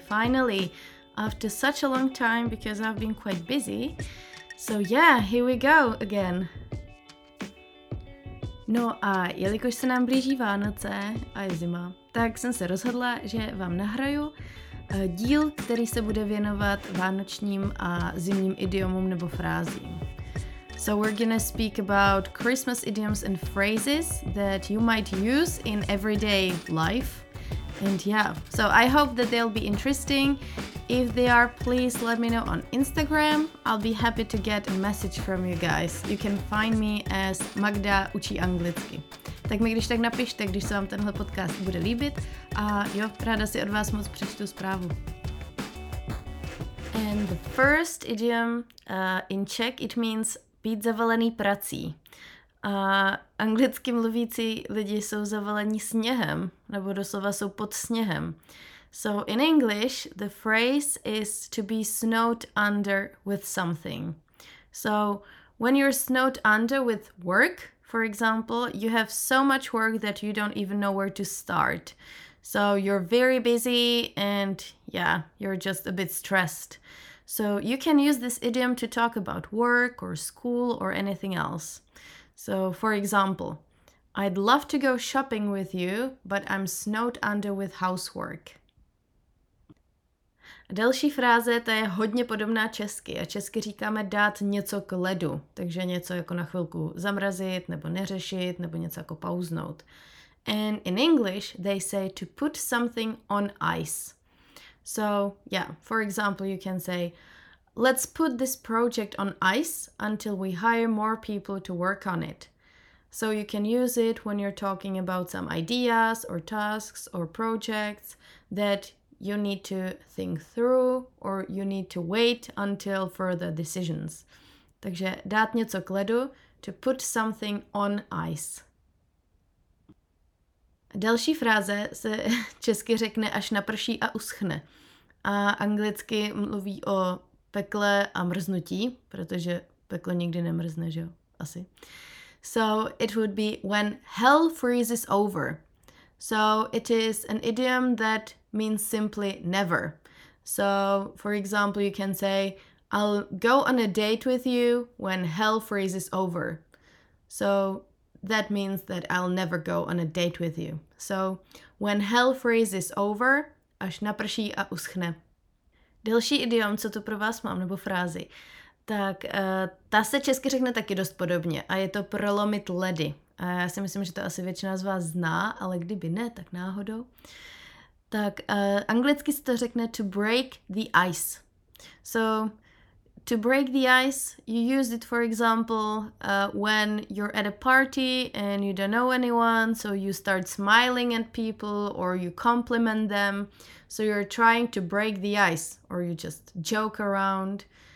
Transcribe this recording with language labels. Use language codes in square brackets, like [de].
[en] Finally, after such a long time because I've been quite busy. So yeah, here we go again. [cs] No a jelikož se nám blíží Vánoce a je zima, tak jsem se rozhodla, že vám nahraju díl, který se bude věnovat vánočním a zimním idiomům nebo frázím. [en] So we're gonna speak about Christmas idioms and phrases that you might use in everyday life. And yeah, so I hope that they'll be interesting. If they are, please let me know on Instagram. I'll be happy to get a message from you guys. You can find me as Magda učí anglicky. [cs] Tak mi když tak napište, když se vám tenhle podcast bude líbit. A jo, ráda si od vás moc přečtu zprávu. [en] And the first idiom in Czech, it means [cs] být zavalený prací. A anglicky mluvící lidi jsou zavalení sněhem, nebo doslova jsou pod sněhem. [en] So in English, the phrase is to be snowed under with something. So when you're snowed under with work, for example, you have so much work that you don't even know where to start. So you're very busy and yeah, you're just a bit stressed. So you can use this idiom to talk about work or school or anything else. So for example, I'd love to go shopping with you, but I'm snowed under with housework. [cs] Další fráze, ta je hodně podobná česky. A česky říkáme dát něco k ledu. Takže něco jako na chvilku zamrazit, nebo neřešit, nebo něco jako pauznout. [en] And in English, they say to put something on ice. So, yeah, for example, you can say, let's put this project on ice until we hire more people to work on it. So you can use it when you're talking about some ideas or tasks or projects that you need to think through or you need to wait until further decisions. [cs] Takže dát něco k ledu, [en] to put something on ice. [cs] Další fráze se česky řekne až naprší a uschne. A anglicky mluví o pekle a mrznutí, protože peklo nikdy nemrzne, že jo? Asi. [en] So it would be when hell freezes over. So it is an idiom that means simply never. So for example, you can say, I'll go on a date with you when hell freezes over. So that means that I'll never go on a date with you. So when hell freezes over, [cs] až naprší a uschne. Další idiom, co tu pro vás mám, nebo frázi, tak ta se česky řekne taky dost podobně a je to prolomit ledy. A já si myslím, že to asi většina z vás zná, ale kdyby ne, tak náhodou. Tak anglicky se to řekne [en] to break the ice. So to break the ice, you use it for example when you're at a party and you don't know anyone, so you start smiling at people or you compliment them. So you're trying to break the ice or you just joke around.